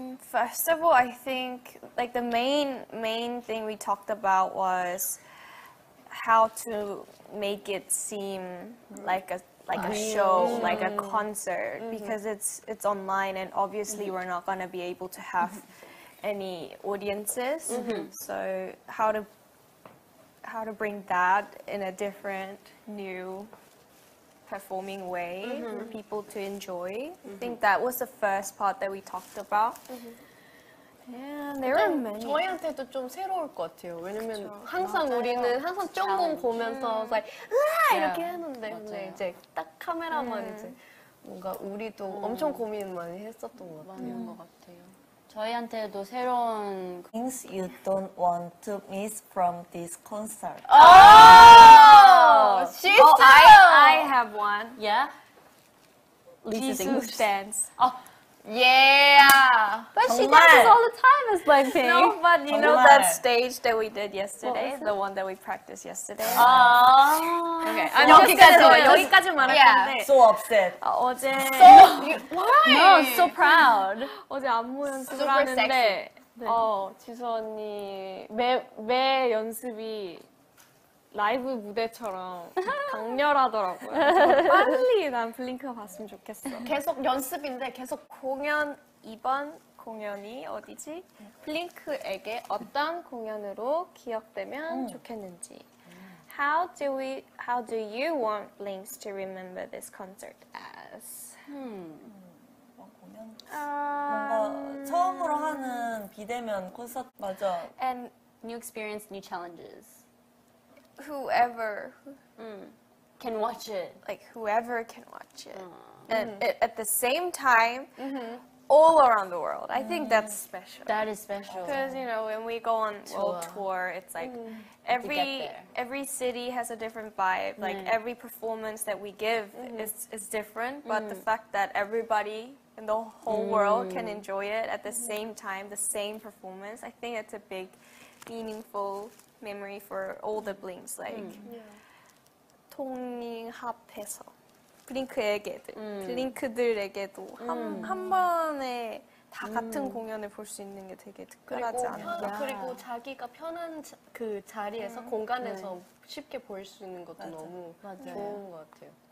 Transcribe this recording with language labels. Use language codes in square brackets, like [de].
[en] First of all, I think like the main thing we talked about was how to make it seem like a concert because it's online and obviously we're not going to be able to have any audiences so how to bring that in a different new performing way for people to enjoy. I think that was the first part that we talked about. Yeah, there are many. [ko] 저희한테도 좀 새로울 것 같아요. 왜냐면 그렇죠. 항상 맞아요. 우리는 항상 점검 보면서 이렇게 했는데 이제 딱 카메라만 이제 뭔가 우리도 엄청 고민 많이 했었던 것 같아요. 저희한테도 새로운 [en] things you don't want to miss from this concert. I have one. Yeah. Jesus dance. Yeah, but she dances all the time as Blackpink. No, but you know that stage that we did yesterday, the one that we practiced yesterday. [ko] Okay, 여기까지 말할 건데. [en] So upset. [ko] 어제. [en] So why? No, so proud. [ko] 어제 안무 연습을 하는데, 지수 언니 매 연습이 라이브 무대처럼 강렬하더라고요. 빨리 난 블링크 봤으면 좋겠어. 계속 연습인데 계속 공연 이번 공연이 어디지? 블링크에게 어떤 공연으로 기억되면 좋겠는지. [en] How do you want Blinks to remember this concert as? [ko] 뭔가 처음으로 하는 비대면 콘서트 맞아. [en] And new experience, new challenges. Whoever can watch it. Like whoever can watch it. At the same time, all around the world. I think that's special. That is special. Because, you know, when we go on world tour, it's like every city has a different vibe. Like every performance that we give is different. But the fact that everybody in the whole world can enjoy it at the same time, the same performance, I think it's a big, meaningful memory for all the blinks, like [ko] 통합해서 블링크에게도 블링크들에게도 한 번에 다 같은 공연을 볼 수 있는 게 되게 특별하지 않나. 그리고 자기가 편한 그 자리에서 공간에서 쉽게 볼 수 있는 것도 너무 좋은 것 같아요.